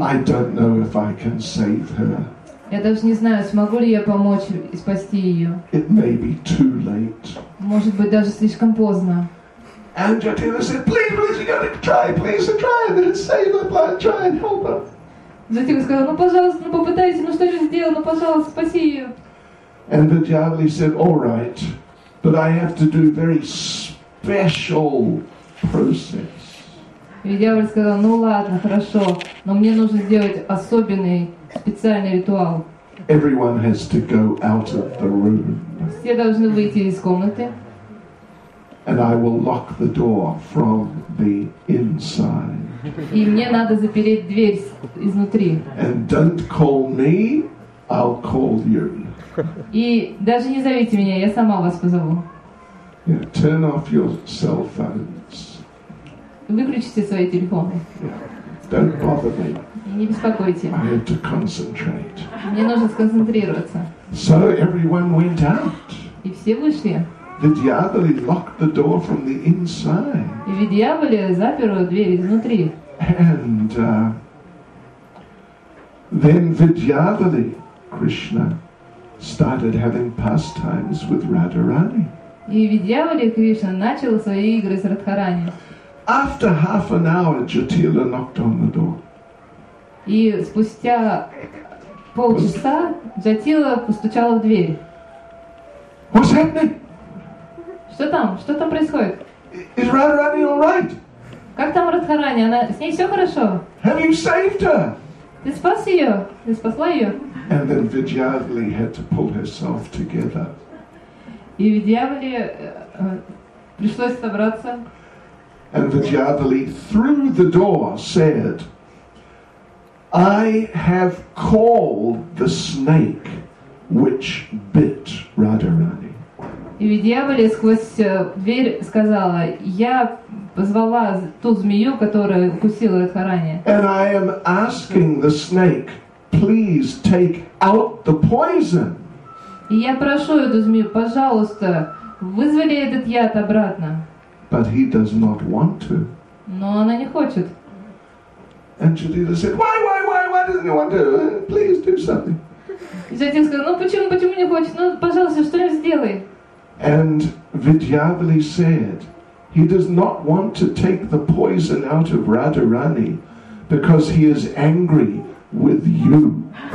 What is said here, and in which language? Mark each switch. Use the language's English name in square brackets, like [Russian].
[English] I don't know if I can save her. [Russian] Я даже не знаю, смогу ли я помочь и спасти ее. [English] It may be too late. [Russian] Может быть, даже слишком поздно. [English] And Jatila said, please, you gotta try, save her, please, try and help her. [Russian] Jatila сказал, попытайтесь, спаси ее. [English] And Vidyavali said, all right, but I have to do very special process. [Russian] Vidyavali сказал, ладно, хорошо, но мне нужно сделать особенный, специальный ритуал. [English] Everyone has to go out of the room. [Russian] Все должны выйти из комнаты. [English] And I will lock the door from the inside. [Russian] И мне надо запереть дверь изнутри. [English] And don't call me, I'll call you. [Russian] И даже не зовите меня, я сама вас позову. [English] Yeah, turn off your cell phones. [Russian] Выключите свои телефоны. [English] Yeah. Don't bother me. [Russian] И не беспокойте. [English] I have to concentrate. [Russian] Мне нужно сконцентрироваться. [English] So everyone went out. [Russian] И все вышли. [English] Vidyavali locked the door from the inside. [Russian] И Vidyavali запер дверь изнутри. [English] And then Vidyavali, Krishna, started having pastimes with Radharani. [Russian] И Vidyavali Krishna начал свои игры с Радхарани. [English] After half an hour, Jatila knocked on the door. [Russian] И спустя полчаса Jatila постучала в дверь. [English] What's happening? [Russian] Что там? Что там происходит? [English] Is Radharani all right? [Russian] Как там Радхарани? Она с ней все хорошо? [English] Have you saved her? [Russian] Ты спас ее? Ты спасла ее? [English] And then Vidyavali had to pull herself together. [Russian] И Vidyavali пришлось собраться. [English] And Vidyavali through the door said, I have called the snake which bit Radharani. [Russian] И Видьяволе сквозь дверь сказала: «Я позвала ту змею, которая укусила Радхарани». [English] And I am asking the snake, please take out the poison. [Russian] И я прошу эту змею: «Пожалуйста, вызвали этот яд обратно». [English] But he does not want to. [Russian] Но она не хочет. [English] And Judita said, why doesn't he want to? Please do something. [Russian] И затем сказал: «Ну почему не хочет? Ну, пожалуйста, что-нибудь сделай». [English] And Vidyavali said, he does not want to take the poison out of Radharani because he is angry with you.